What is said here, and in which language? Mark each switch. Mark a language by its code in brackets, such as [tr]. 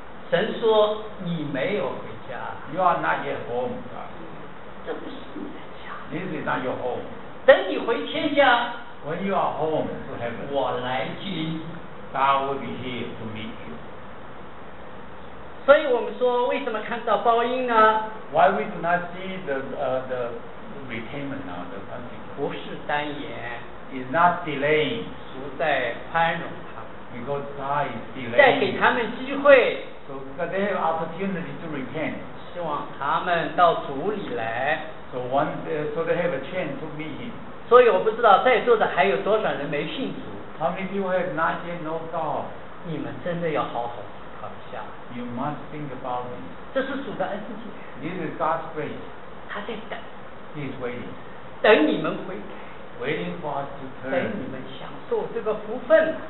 [zh] 神说你没有回家。 [en] You are not yet home. [zh] 这不是你的家。 [en] This is not your home. [zh] 等你回天家。 [en] When you are home to heaven. [zh] 我来接。 [en] God will be here to meet you. [zh] 所以我们说，为什么看到报应呢 [en] ？Why we do not see the repayment now, the punishment? [zh] 不是单言 [en] ，is not delaying. [zh] 主在宽容他 [en] ，because God is delaying. [zh] 再给他们机会 [en] ，so that they have opportunity to repent. [zh] 希望他们到主里来 [en] ，so one, so they have a chance to meet him. [zh] 所以我不知道在座的还有多少人没信主。 [en] How many people have not yet know God? [zh] 你们真的要好好。 [en] You must think about it. [zh] 这是主的恩典。 [en] This is God's grace. [zh] 他在等。 [en] He is waiting. [zh] 等你们回来。 [en] Waiting for us to turn. [zh] 等你们享受这个福分。